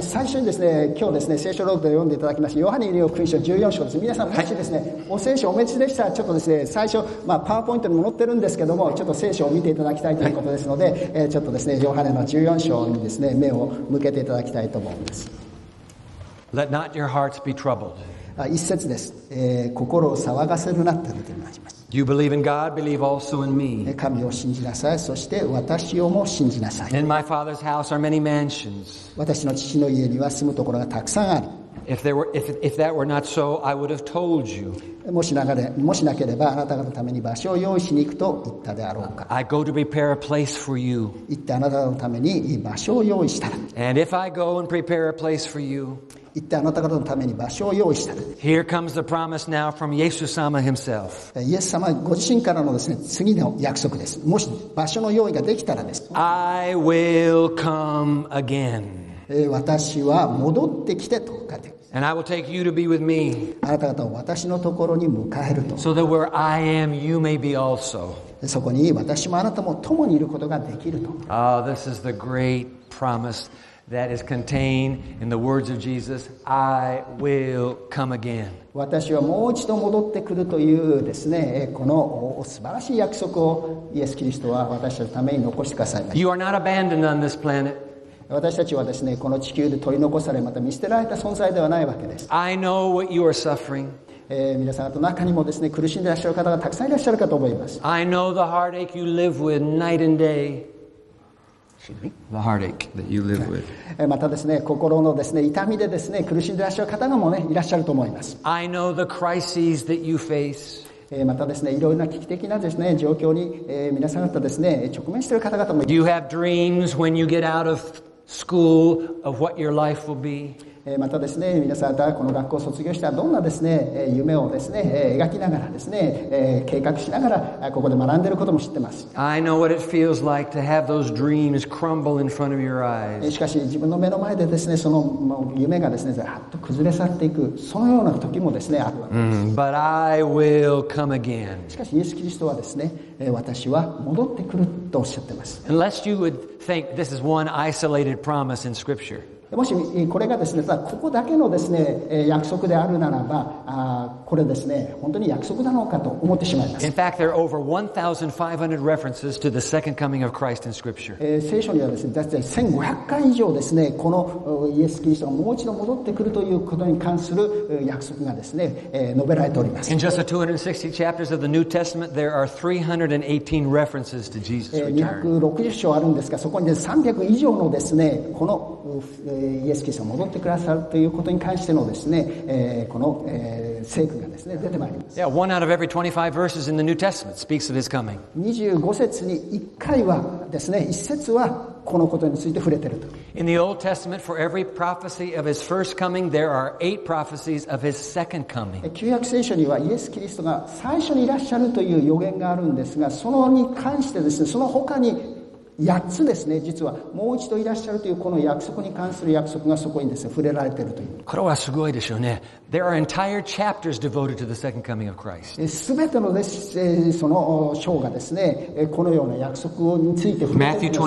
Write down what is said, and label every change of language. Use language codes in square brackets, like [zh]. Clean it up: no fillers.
[ja] 最初にですね、今日ですね、聖書朗読で読んでいただきました。ヨハネの福音書14章です。皆さん、もしですね、お聖書お持ちでしたら、ちょっとですね、最初、まあ、パワーポイントにも載ってるんですけども、ちょっと聖書を見ていただきたいということですので、ちょっとですね、ヨハネの14章にですね、目を向けていただきたいと思います。 [en] Let not your hearts be troubled. [ja] 一節です。心を騒がせるなってことになります。 [en] You believe in God, believe also in me. [ja] 神を信じなさい、そして私をも信じなさい。 [en] In my father's house are many mansions. [ja] 私の父の家には住むところがたくさんある。 [en] If that were not so, I would have told you. [ja] もしなければ、あなた方のために場所を用意しに行くと言ったであろうか。 [en] I go to prepare a place for you. [ja] 行ってあなたのために場所を用意したら。 [en] And if I go and prepare a place for you, [ja] 言ってあなた方のために場所を用意した。 [en] Here comes the promise now from Jesus 様 himself. [ja] イエス様ご自身からのですね、次の約束です。もし場所の用意ができたらです。 [en] I will come again. [ja] 私は戻ってきてと書いてあります。 [en] And I will take you to be with me. [ja] あなた方を私のところに迎えると。 [en] So that where I am, you may be also. [ja] そこに私もあなたも共にいることができると。 [en] Ah, this is the great promise. That is contained in the words of Jesus. I will come again. [ja] 私はもう一度戻ってくるというですね、この素晴らしい約束をイエス・キリストは私たちのために残してくださいました。 [en] You are not abandoned on this planet. [ja] 私たちはですね、この地球で取り残され、また見捨てられた存在ではないわけです。 [en] I know what you are suffering. [ja] 皆さんと中にもですね、苦しんでいらっしゃる方がたくさんいらっしゃるかと思います。 [en] I know the heartache you live with night and day. The heartache that you live with. [ja] またですね、心のですね、痛みでですね、苦しんでいらっしゃる方もね、いらっしゃると思います。 [en] I know the crises that you face. [ja] またですね、いろいろな危機的なですね、状況に、皆さん方ですね、直面している方々も。 [en] Do you have dreams when you get out of school of what your life will be? [ja] またですね、皆さん方この学校を卒業したらどんなですね、夢をですね、描きながらですね、計画しながらここで学んでいることも知ってます。 [en] I know what it feels like to have those dreams crumble in front of your eyes. [ja] しかし自分の目の前でですね、その夢がですね、ずっと崩れ去っていく、そのような時もですね、あるわけです。 [en] But I will come again. [ja] しかしイエス・キリストはですね、私は戻ってくるとおっしゃってます。 [en] Unless you would think this is one isolated promise in Scripture. [ja] もしこれがですね、ここだけのですね、約束であるならば、これですね、本当に約束なのかと思ってしまいます。 [en] In fact, there are over 1,500 references to the second coming of Christ in Scripture. [ja] 聖書にはですね、だって1500回以上ですね、このイエス・キリストがもう一度戻ってくるということに関する約束がですね、述べられております。 [en] In just the 260 chapters of the New Testament, there are 318 references to Jesus' return. [ja] 260 章あるんですが、そこに、ね、300以上のですね、このイエス・キリストが戻ってくださるということに関してのですね、この聖句がですね、出てまいります。 [en] Yeah, one out of every 25 verses in the New Testament speaks of his coming. [ja] 25節に1回はですね、1節はこのことについて触れていると。 [en] In the Old Testament, for every prophecy of his first coming, there are 8 prophecies of his second coming. [ja] 旧約聖書にはイエス・キリストが最初にいらっしゃるという予言があるんですが、そのに関してですね、その他に8つですね、実はもう一度いらっしゃるというこの約束に関する約束がそこにですね、触れられているという。これはすごいでしょうね。 [en] There are entire chapters devoted to the second coming of Christ. [ja] 全てのです、その章がですね、このような約束について触れている